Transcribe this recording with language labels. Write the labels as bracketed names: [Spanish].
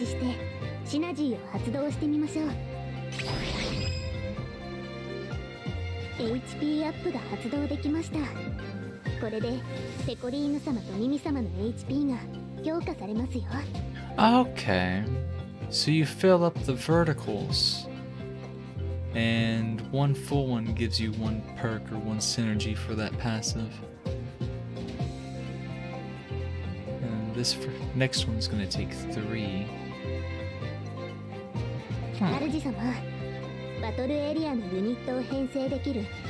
[Japanese] それでは同じHPアップシナジーを持つミミ様をバトルエリアに配置してシナジーを発動してみましょう. HP アップが発動できました。これでペコリーヌ様とミミ様のHPが強化されますよ。 [English] Okay, so you fill up the verticals, and one full one gives you one perk or one synergy for that passive. And this next one's gonna take three. [Japanese] アルジ様、バトルエリアのユニットを編成できる。